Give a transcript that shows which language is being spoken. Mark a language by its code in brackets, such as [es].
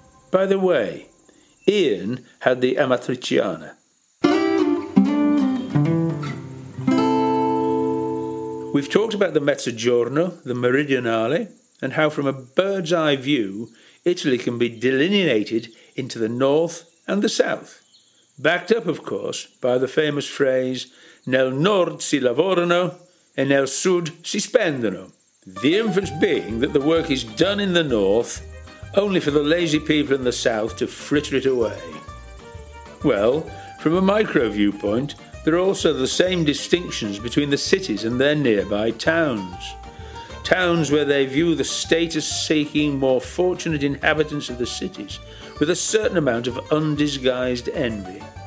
[en] By the way, Ian had the amatriciana. We've talked about the mezzogiorno, the meridionale, and how from a bird's eye view, Italy can be delineated into the north and the south. Backed up, of course, by the famous phrase, [it] nel nord si lavorano e nel sud si spendono. [en] The inference being that the work is done in the north, only for the lazy people in the south to fritter it away. Well, from a micro viewpoint, there are also the same distinctions between the cities and their nearby towns. Towns where they view the status-seeking, more fortunate inhabitants of the cities with a certain amount of undisguised envy.